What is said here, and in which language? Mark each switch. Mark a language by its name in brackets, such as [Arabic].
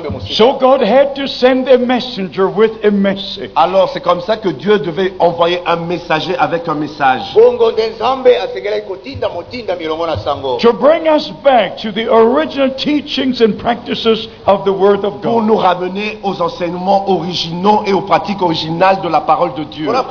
[English] So God had to send a messenger with a message. [French] Alors c'est comme ça que Dieu devait envoyer un messager avec un message. [English] To bring us back to the original teachings and practices of the Word of God. [French] Pour nous ramener aux enseignements originaux et aux pratiques originales de la parole de Dieu.